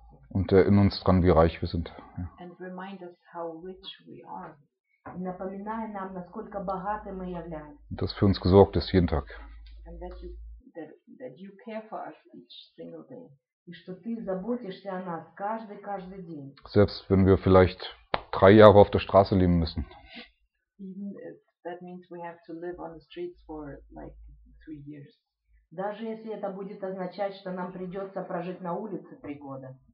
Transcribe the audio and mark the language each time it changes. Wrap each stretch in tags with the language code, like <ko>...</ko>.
<de>Und erinnere uns dran, wie reich wir sind.</de> <en>Ja. And remind us how rich we are.</en> <ru>И напоминай нам, насколько богаты мы являемся.</ru> <de>Dass für uns gesorgt ist jeden Tag.</de> <en>And that you care for us each single day.</en> <ru>И что ты заботишься о нас каждый день.</ru> <de>Selbst wenn wir vielleicht 3 Jahre auf der Straße leben müssen.</de> <en>Even if that means we have to live on the streets for like 3 years.</en> <ru>Даже если это будет означать, что нам придется прожить на улице 3 года.</ru>